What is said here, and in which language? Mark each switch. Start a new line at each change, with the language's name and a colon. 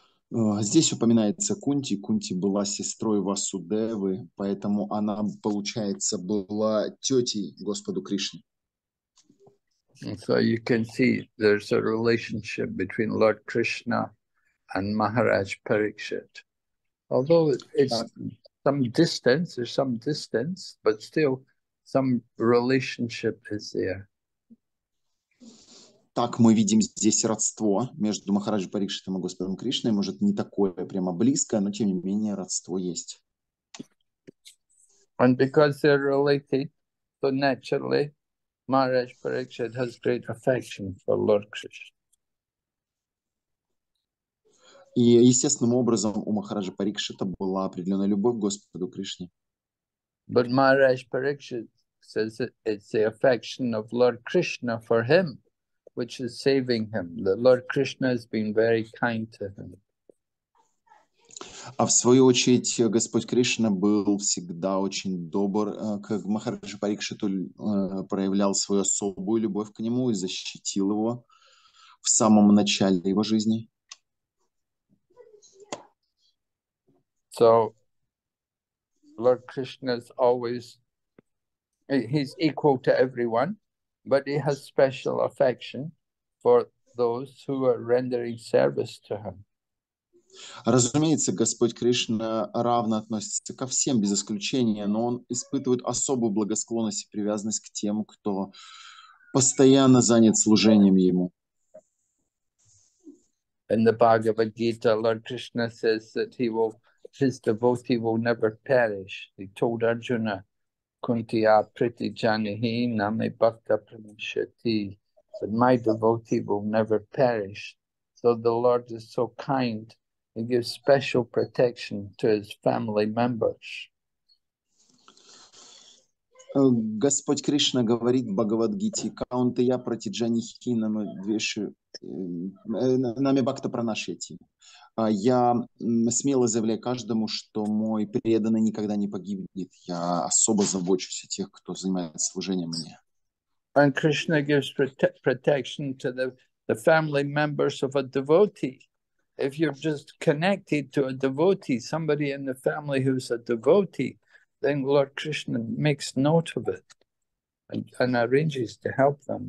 Russian: Здесь упоминается Кунти. Кунти была сестрой Васудевы, поэтому она, получается, была тетей Господу Кришне.
English: So you can see there's a relationship between Lord Krishna and Maharaj Parikshit. Although it's some distance, but still some relationship is there.
Russian: Так мы видим здесь родство между Махараджи Парикшитом и Господом Кришной. Может, не такое прямо близкое, но тем не менее родство есть.
English: And because they're related, so naturally, Maharaj Parikshit has great affection for Lord Krishna.
Russian: И естественным образом у Махараджи Парикшита была определенная любовь к Господу Кришне.
English: But Maharaj Parikshit says that it's the affection of Lord Krishna for him, which is saving him, that Lord Krishna has been very kind to him.
Russian: А в свою очередь, Господь Кришна был всегда очень добр к Махараджи Парикшиту, проявлял свою особую любовь к нему и защитил его в самом начале его жизни.
English: So, Lord Krishna is always, he's equal to everyone, but he has special affection for those who are rendering service to him.
Russian: Разумеется, Господь Кришна равно относится ко всем без исключения, но он испытывает особую благосклонность и привязанность к тем, кто постоянно занят служением ему.
English: In the Bhagavad Gita, Lord Krishna says that he will, his devotee will never perish. He told Arjuna,
Sanskrit: Kunti a priti janihi na me bhakta pramishati,
English: that my devotee will never perish. So the Lord is so kind. He gives special protection to his family members.
Russian: Господь Кришна говорит в Бхагавадгите,
Sanskrit: каунта я прати джанихи нами бхакта пранашети.
Russian: Я смело заявляю каждому, что мой преданный никогда не погибнет. Я особо забочусь о тех, кто занимается служением мне.
English: And Krishna gives protection to the family members of a devotee. If you're just connected to a devotee, somebody in the family who's a devotee, then Lord Krishna makes note of it and arranges to help them.